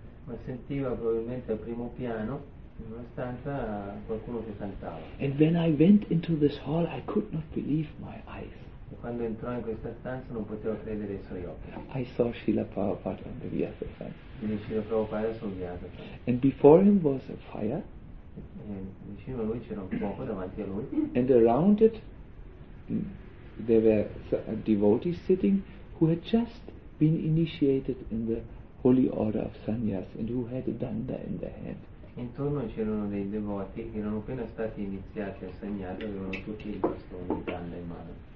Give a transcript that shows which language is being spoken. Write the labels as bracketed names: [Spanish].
[Italian] Ma sentiva probabilmente al primo piano in una stanza qualcuno che cantava. [English] And when I went into this hall I could not believe my eyes. [Italian] E quando entrò in questa stanza non potevo credere ai suoi occhi. [English] I saw Srila Prabhupada on the Vyasasthan. [Italian] Quindi Srila Prabhupada sul Vyasasthan. [English] And before him was a fire. [Italian] E vicino a lui c'era un fuoco davanti a lui. [English] And around it there were devotees sitting who had just been initiated in the holy order of sannyas and who had a danda in their hand. [Italian] Intorno c'erano dei devoti che erano appena stati iniziati a sannyas e avevano tutti il bastone di danda in mano.